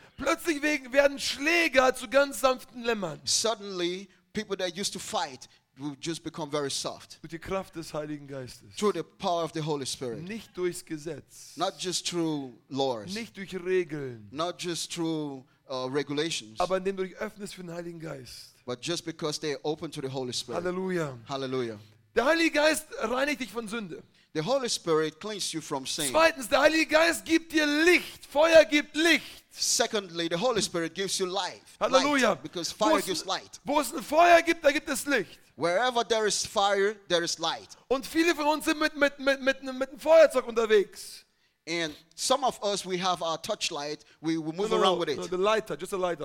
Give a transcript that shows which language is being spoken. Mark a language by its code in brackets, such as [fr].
[de] Plötzlich werden Schläger zu ganz sanften Lämmern. [en] Suddenly, people that used to fight will just become very soft. [de] Durch die Kraft des Heiligen Geistes. [en] Through the power of the Holy Spirit. [de] Nicht durchs Gesetz. [en] Not just through laws. [de] Nicht durch Regeln. [en] Not just through regulations. [de] Aber indem du dich öffnest für den Heiligen Geist. [en] But just because they open to the Holy Spirit. [de] Hallelujah. [en] Hallelujah. [de] Der Heilige Geist reinigt dich von Sünde. [en] The Holy Spirit cleans you from sin. [de] Zweitens, der Heilige Geist gibt dir Licht. Feuer gibt Licht. [en] Secondly, the Holy Spirit gives you life. Hallelujah. Light, because fire gives light. [de] Wo es ein Feuer gibt, da gibt es Licht. [en] Wherever there is fire, there is light. [de] Und viele von uns sind mit einem Feuerzeug unterwegs. [en] And some of us, we have our touch light. We move around with it. No, the lighter, just a lighter.